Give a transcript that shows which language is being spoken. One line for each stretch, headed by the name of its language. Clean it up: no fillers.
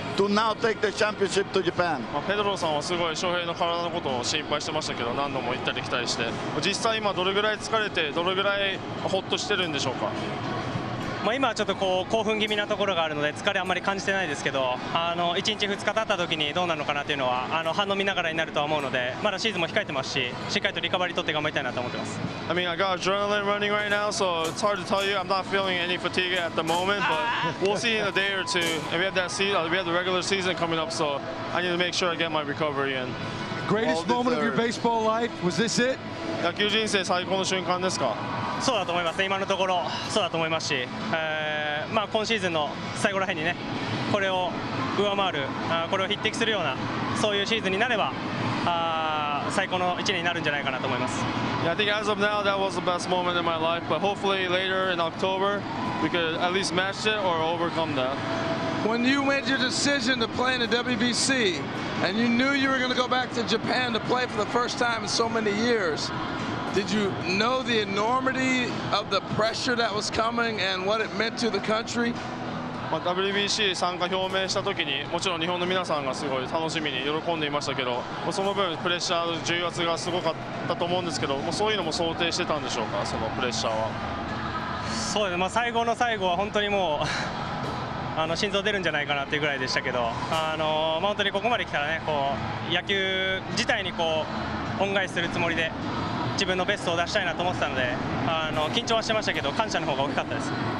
English: To now take the championship to Japan.
Japanese: ペドロさんはすごい翔平の体のことを心配してましたけど、何度も行ったり来たりして、実際今どれぐらい疲れてどれぐらいホッとしてるんでしょうか。まあ、今はちょっとこう興奮気味なところがあるので疲れあんまり感じてないですけど、1日2日経った時にどうなのかなというのは反応見ながらになるとは思うので、まだシーズンも控えてますし、しっかりとリカバリーとって頑張りたいなと思ってます。
English: I mean, I got adrenaline running right now, so it's hard to tell you. I'm not feeling any fatigue at the moment, but we'll see in a day or two. And we have that season, we have the regular season coming up, so I need to make sure I get my recovery in. Greatest moment of your baseball life, was this it?
Japanese: 野球人生最高の瞬間ですか？そうだと思いますね、今のところそうだと思いますし、まあ、今シーズンの最後らへんにね、これを上回る、これを匹敵するような、そういうシーズンになれば、最高の1年になるんじゃないかなと思います。
English: Yeah, I think as of now, that was the best moment in my life, but hopefully later in October, we could at least match it or overcome that. When you made your decision to play in the WBC, and you knew you were going to go back to Japan to play for the first time in so many years, did you know the enormity of the pressure that was coming and what it meant to the country?
Japanese: WBC 参加表明した時にもちろん日本の皆さんがすごい楽しみに喜んでいましたけど、その分プレッシャーの重圧がすごかったと思うんですけど、そういうのも想定してたんでしょうか、そのプレッシャーは。そうですね、まあ、最後の最後は本当にもう心臓出るんじゃないかなっていうぐらいでしたけど、まあ、本当にここまで来たらね、こう野球自体にこう恩返しするつもりで自分のベストを出したいなと思ってたので、緊張はしてましたけど感謝の方が大きかったです。